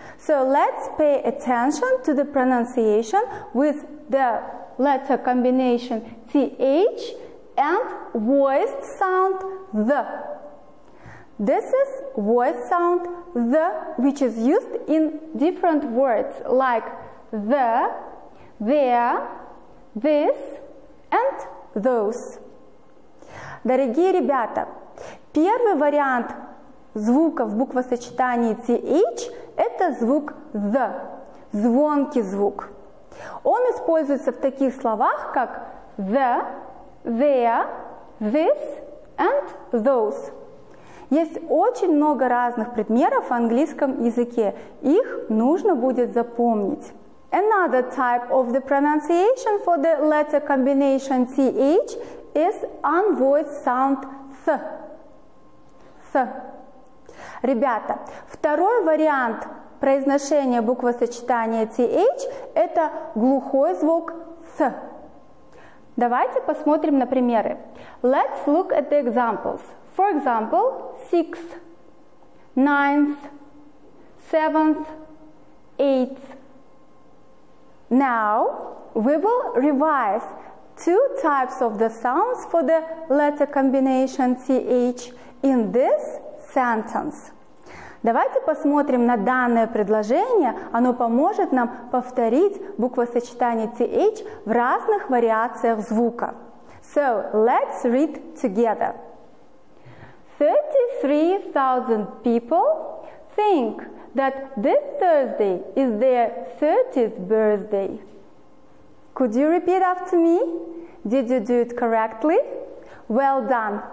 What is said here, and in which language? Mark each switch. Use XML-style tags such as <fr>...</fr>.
<en>So, let's pay attention to the pronunciation with the letter combination TH and voiced sound the. This is voiced sound the, which is used in different words like the, there, this, and those.</en> <ru>Дорогие ребята, первый вариант звука в буквосочетании TH – это звук the, звонкий звук. Он используется в таких словах, как</ru> <en>the, there, this, and those.</en> <ru>Есть очень много разных предметов в английском языке. Их нужно будет запомнить.</ru> <en>Another type of the pronunciation for the letter combination TH is unvoiced sound th. Th.</en> <ru>Ребята, второй вариант произношения буквосочетания TH – это глухой звук th. Давайте посмотрим на примеры.</ru> <en>Let's look at the examples. For example, sixth, ninth, seventh, eighth. Now, we will revise two types of the sounds for the letter combination TH in this sentence.</en> <ru>Давайте посмотрим на данное предложение. Оно поможет нам повторить буквосочетание TH в разных вариациях звука.</ru> <en>So, let's read together. 33,000 people think that this Thursday is their 30th birthday. Could you repeat after me? Did you do it correctly? Well done!</en>